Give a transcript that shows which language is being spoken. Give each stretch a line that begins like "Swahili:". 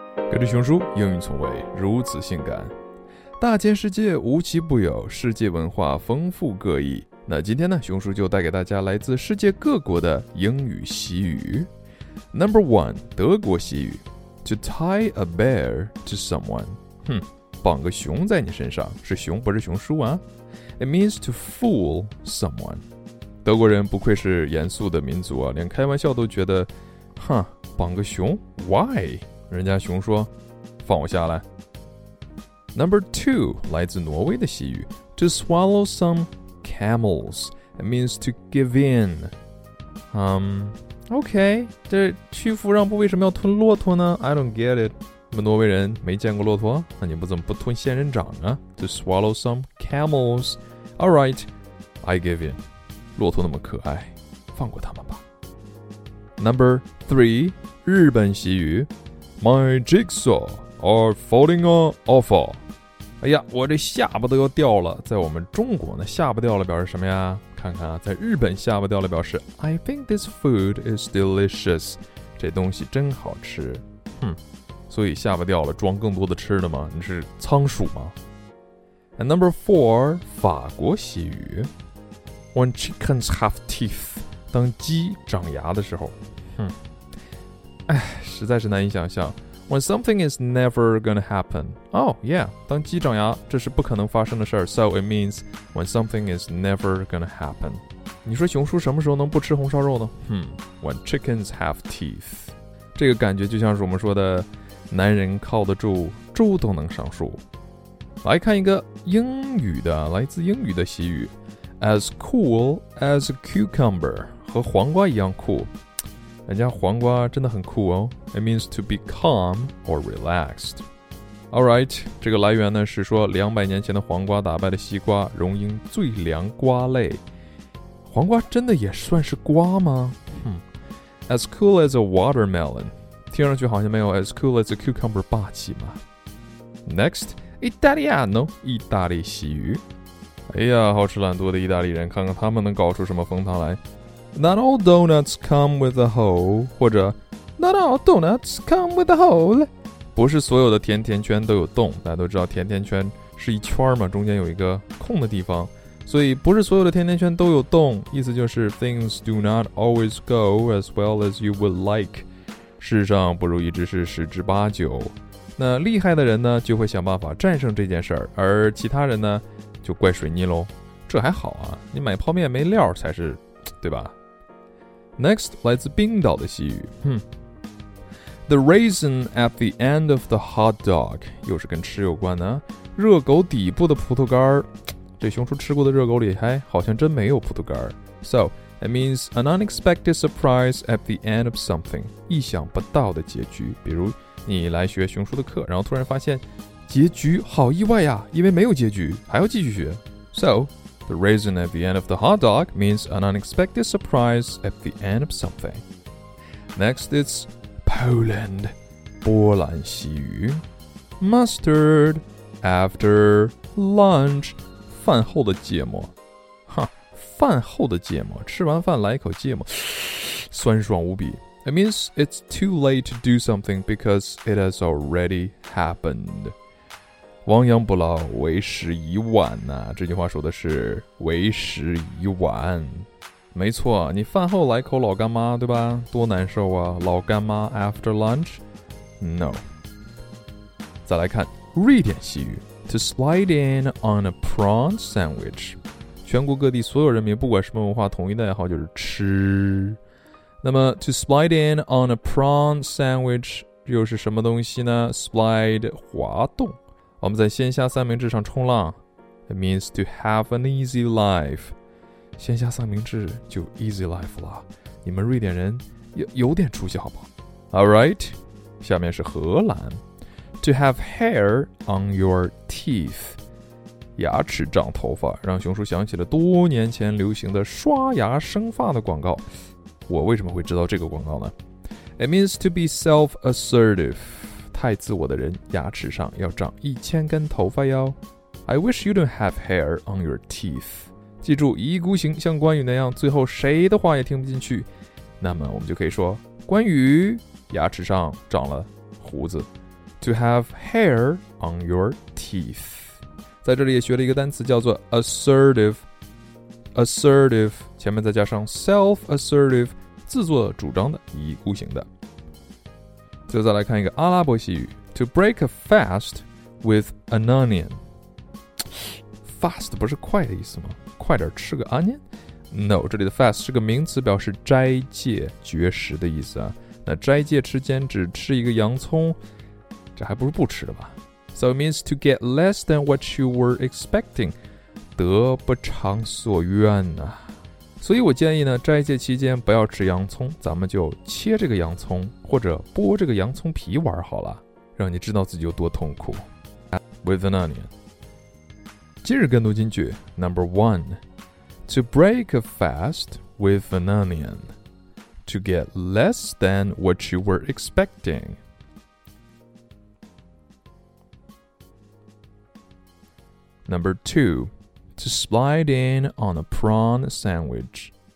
Chinese: 跟着熊叔，英语从未如此性感。大千世界无奇不有，世界文化丰富各异。那今天呢，熊叔就带给大家来自世界各国的英语习语。
English: Number one，
Chinese: 德国习语
English: ，to tie a bear to someone。
Chinese: 哼，绑个熊在你身上，是熊不是熊叔啊 ？
English: It means to fool someone。
Chinese: 德国人不愧是严肃的民族啊，连开玩笑都觉得，哼，绑个熊 ，
English: Why？
Chinese: 人家熊说，放我下来。
English: Number two，
Chinese: 来自挪威的习语
English: ，to swallow some camels。 It means to give in。
Chinese: OK， 这屈服让步为什么要吞骆驼呢 ？
English: I don't get it。
Chinese: 你们挪威人没见过骆驼？那你们怎么不吞仙人掌呢 ？
English: To swallow some camels。 All right， I give in。
Chinese: 骆驼那么可爱，放过他们吧。
English: Number three，
Chinese: 日本习语
English: ，My jigsaw are falling off。
Chinese: 哎呀，我这下巴都要掉了。在我们中国呢，下巴掉了表示什么呀？看看啊，在日本下巴掉了表示
English: I think this food is delicious，
Chinese: 这东西真好吃。哼，所以下巴掉了装更多的吃的吗？你是仓鼠吗？
English: And number four，
Chinese: 法国习语
English: When chickens have teeth，
Chinese: 当鸡长牙的时候。哼，哎，实在是难以想象。
English: When something is never gonna happen. Oh, yeah.
Chinese: 当鸡长牙，这是不可能发生的事儿。
English: So it means when something is never gonna happen.
Chinese: 你说熊叔什么时候能不吃红烧肉呢？
English: When chickens have teeth.
Chinese: 这个感觉就像是我们说的，男人靠得住，猪都能上树。来看一个英语的，来自英语的习语 ，
English: as cool as a cucumber，
Chinese: 和黄瓜一样酷。人家黄瓜真的很酷哦。
English: It means to be calm or relaxed. Alright,
Chinese: 这个来源呢是说200年前的黄瓜打败了西瓜，荣膺最凉瓜类。黄瓜真的也算是瓜吗？
English: As cool as a watermelon.
Chinese: 听上去好像没有
English: as cool as a cucumber
Chinese: 霸气吗？
English: Next, Italiano,
Chinese: 意大利习语。哎呀，好吃懒惰的意大利人，看看他们能搞出什么风汤来。
English: Not all donuts come with a hole， 或者 Not all donuts come with a hole，
Chinese: 不是所有的甜甜圈都有洞。大家都知道甜甜圈是一圈嘛，中间有一个空的地方，所以不是所有的甜甜圈都有洞，意思就是
English: Things do not always go as well as you would like，
Chinese: 世上不如意之事十之八九。那厉害的人呢就会想办法战胜这件事儿，而其他人呢就怪水泥咯。这还好啊，你买泡面没料才是，对吧？
English: Next，
Chinese: 来自冰岛的习语。
English: The raisin at the end of the hot dog，
Chinese: 又是跟吃有关呢。热狗底部的葡萄干，这熊叔吃过的热狗里还好像真没有葡萄干。
English: So it means an unexpected surprise at the end of something，
Chinese: 意想不到的结局。比如你来学熊叔的课，然后突然发现结局好意外呀，因为没有结局还要继续学。
English: SoThe raisin at the end of the hot dog means an unexpected surprise at the end of something. Next, it's Poland.
Chinese: 波兰习语
English: Mustard after lunch.
Chinese: 饭后的芥末。哈，饭后的芥末，吃完饭来一口芥末，酸爽无比。
English: It means it's too late to do something because it has already happened.
Chinese: 亡羊补牢，为时已晚呐、啊！这句话说的是为时已晚，没错。你饭后来口老干妈，对吧？多难受啊！
English: 老干妈 after lunch， no。
Chinese: 再来看瑞典西语
English: ，to slide in on a prawn sandwich。
Chinese: 全国各地所有人民，不管什么文化，统一的爱好就是吃。那么
English: to slide in on a prawn sandwich
Chinese: 又是什么东西呢
English: ？Slide 滑动。
Chinese: 我们在鲜虾三明治上冲浪
English: ，It means to have an easy life。
Chinese: 鲜虾三明治就 easy life 了。你们瑞典人有点出息好不好 ？
English: All right，
Chinese: 下面是荷兰 ，
English: to have hair on your teeth，
Chinese: 牙齿长头发，让熊叔想起了多年前流行的刷牙生发的广告。我为什么会知道这个广告呢 ？
English: It means to be self-assertive。
Chinese: 太自我的人牙齿上要长1000根头发哟。
English: I wish you don't have hair on your teeth。
Chinese: 记住一意孤行像关羽那样最后谁的话也听不进去，那么我们就可以说关羽牙齿上长了胡子。
English: to have hair on your teeth.
Chinese: 在这里也学了一个单词叫做 assertive. Assertive, 前面再加上 self-assertive, 自作主张的一意孤行的。最后再来看一个阿拉伯西语
English: to break a fast with an onion.
Chinese: Fast 不是快的意思吗？快点吃个 onion?
English: No,
Chinese: 这里的 fast 是个名词，表示斋戒、绝食的意思啊。那斋戒之间只吃一个洋葱，这还不是不吃的吧 ？
English: So it means to get less than what you were expecting,
Chinese: 得不偿所愿啊。所以我建议呢，斋戒期间不要吃洋葱，咱们就切这个洋葱或者剥这个洋葱皮玩好了，让你知道自己有多痛苦。
English: With an onion.
Chinese: 今日跟读金句
English: number one. To break a fast with an onion. To get less than what you were expecting. Number two. To slide in on a prawn sandwich.